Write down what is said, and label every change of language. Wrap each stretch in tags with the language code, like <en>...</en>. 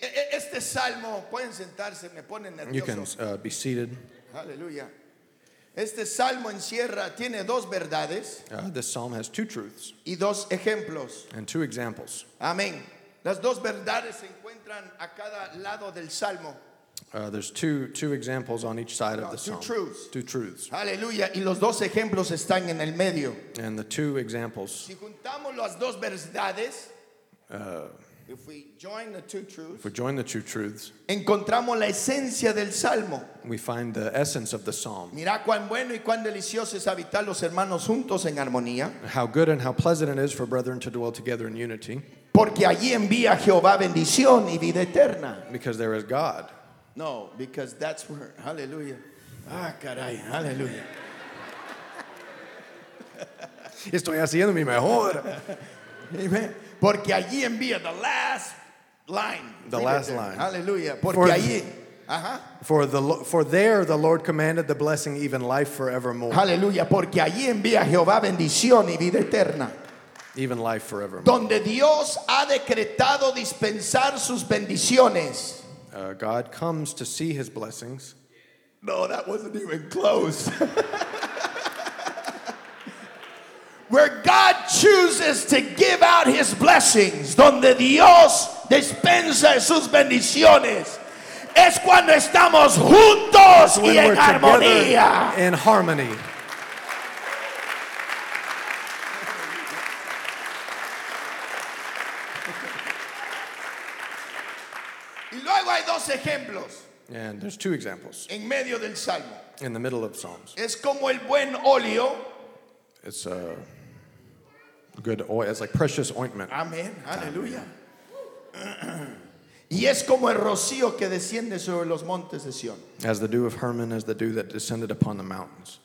<es>Este salmo, pueden sentarse, me pone nervioso.</es> <en>You can be seated.</en> <es>Aleluya. Este salmo encierra tiene dos verdades.</es> <en>This psalm has two truths.</en> <es>Y dos ejemplos.</es> <en>And two examples.</en> <es>Amén. Las dos verdades se encuentran a cada lado del salmo.</es> <en>There's two examples on each side of the psalm. Two truths.</en> <es>Aleluya. Y los dos ejemplos están en el medio.</es> <en>And the two examples.</en> <es>Si juntamos las dos verdades,</es> <en>if we join the two truths, if we join the two truths,</en> <es>encontramos la esencia del salmo.</es> <en>We find the essence of the psalm.</en> <es>Mira cuán bueno y cuán delicioso es habitar los hermanos juntos en armonía.</es> <en>How good and how pleasant it is for brethren to dwell together in unity.</en> <es>Porque allí envía Jehová bendición y vida eterna.</es> <en>Because there is God. No, because that's where, hallelujah. Ah, caray, hallelujah.</en> <es>Estoy haciendo mi mejor. Amen. Porque allí envía</es> <en>the last line. The last line.</en> <es>Hallelujah. Porque allí,</es> <en>For there the Lord commanded the blessing, even life forevermore. Hallelujah.</en> <es>Porque allí envía Jehová bendición y vida eterna.</es> <en>Even life forevermore.</en> <es>Donde Dios ha decretado dispensar sus bendiciones.</es> <en>God comes to see his blessings. No, that wasn't even close. Where God chooses to give out his blessings,</en> <es>donde Dios dispensa sus bendiciones, es cuando estamos juntos y en armonía.</es> <en>In harmony. And there's two examples.</en> <es>En medio del salmo.</es> <en>In the middle of Psalms.</en> <es>Es como el buen óleo.</es> <en>It's a good oil. It's like precious ointment. Amen. Hallelujah.</en> <es>Y es como el rocío que desciende sobre los montes de Sion.</es> <en>As the dew of Hermon, as the dew that descended upon the mountains.</en>